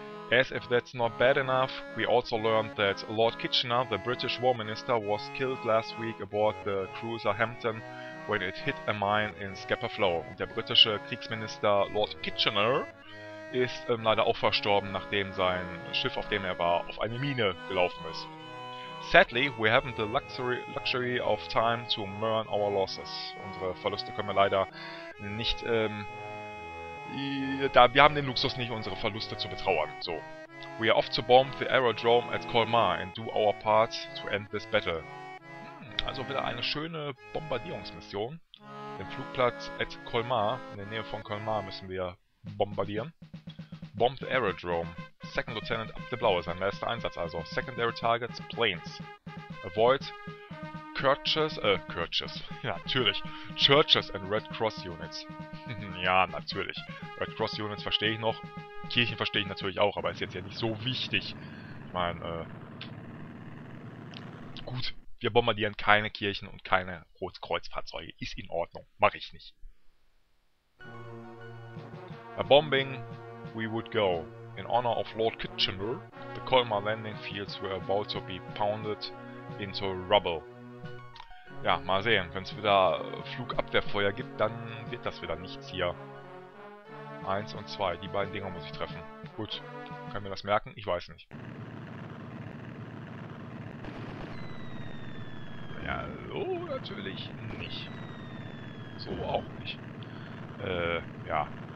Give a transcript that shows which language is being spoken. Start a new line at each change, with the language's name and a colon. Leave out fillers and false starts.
English: As if that's not bad enough, we also learned that Lord Kitchener, the British War Minister, was killed last week aboard the cruiser Hampton when it hit a mine in Scapa Flow.
German: Und der britische Kriegsminister Lord Kitchener ist leider auch verstorben, nachdem sein Schiff, auf dem er war, auf eine Mine gelaufen ist.
English: Sadly, we haven't the luxury of time to mourn our losses.
German: Unsere Verluste können wir leider nicht... wir haben den Luxus nicht, unsere Verluste zu betrauern. So.
English: We are off to bomb the aerodrome at Colmar and do our part to end this battle.
German: Also wieder eine schöne Bombardierungsmission. Den Flugplatz at Colmar, in der Nähe von Colmar, müssen wir bombardieren.
English: Bomb the aerodrome. Second Lieutenant up the Blaue,
German: sein erster Einsatz also.
English: Secondary targets, planes. Avoid Churches and Red Cross Units.
German: Ja, natürlich. Red Cross Units verstehe ich noch. Kirchen verstehe ich natürlich auch, aber ist jetzt ja nicht so wichtig. Ich meine, gut, wir bombardieren keine Kirchen und keine Rotkreuzfahrzeuge. Ist in Ordnung. Mache ich nicht.
English: A bombing, we would go. In honor of Lord Kitchener, the Colmar landing fields were about to be pounded into rubble.
German: Ja, mal sehen. Wenn es wieder Flugabwehrfeuer gibt, dann wird das wieder nichts hier. Eins und zwei. Die beiden Dinger muss ich treffen. Gut. Können wir das merken? Ich weiß nicht. Ja, so natürlich nicht. So auch nicht. Ja.